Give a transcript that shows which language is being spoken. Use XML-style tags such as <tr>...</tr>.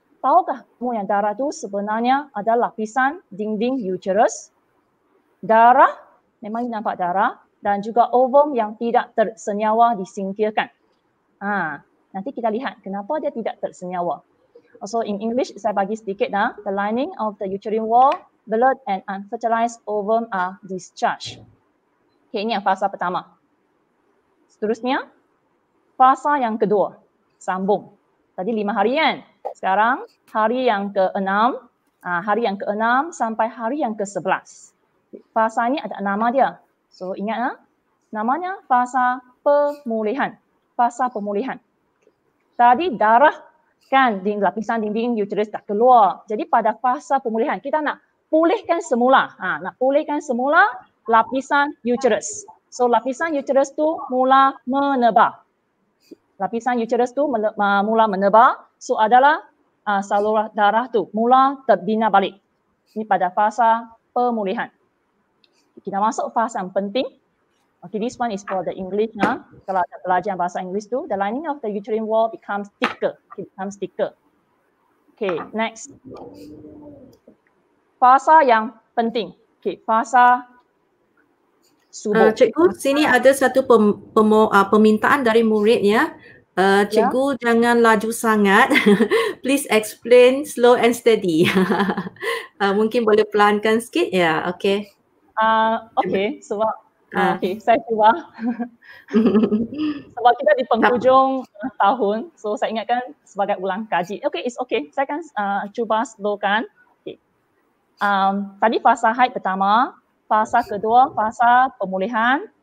<ms>Tahukah kamu yang darah itu sebenarnya adalah lapisan dinding uterus? Darah, memang nampak darah, dan juga ovum yang tidak tersenyawa disingkirkan. Nanti kita lihat kenapa dia tidak tersenyawa.</ms> <en>Also in English,</en> <ms>saya bagi sedikit dah.</ms> <en>The lining of the uterine wall, blood and unfertilized ovum are discharged.</en> <ms>Okay, ini yang fasa pertama. Seterusnya, fasa yang kedua. Sambung. Tadi 5 hari kan? Sekarang hari yang ke-6, hari yang ke-6 sampai hari yang ke-11. Fasa ini ada nama dia. So ingatlah, namanya fasa pemulihan. Fasa pemulihan. Tadi darah kan di lapisan dinding uterus dah keluar. Jadi pada fasa pemulihan kita nak pulihkan semula. Nak pulihkan semula lapisan uterus. So lapisan uterus tu mula menebal. Lapisan uterus tu mula menebal. So adalah saluran darah tu mula terbina balik. Ini pada fasa pemulihan. Kita masuk fasa yang penting.</ms> <en>Okay, this one is for the English.</en> <ms>Nah, kalau ada pelajaran bahasa Inggeris tu,</ms> <en>the lining of the uterine wall becomes thicker. It becomes thicker. Okay, next.</en> <ms>Fasa yang penting. Okay, fasa subuh. Cikgu, sini ada satu permintaan dari murid ya. Cikgu ya? Jangan laju sangat.</ms> <en>Please explain slow and steady.</en> <ms>Mungkin boleh pelankan sikit. Ya, yeah, okay. Okay, sebab okay, saya cuba. Sebab kita di penghujung tahun, so saya ingatkan sebagai ulang kaji. Okay,</ms> <en>it's okay.</en> <ms>Saya akan cuba slowkan. Okay. Tadi fasa haid pertama, fasa kedua fasa pemulihan.</ms>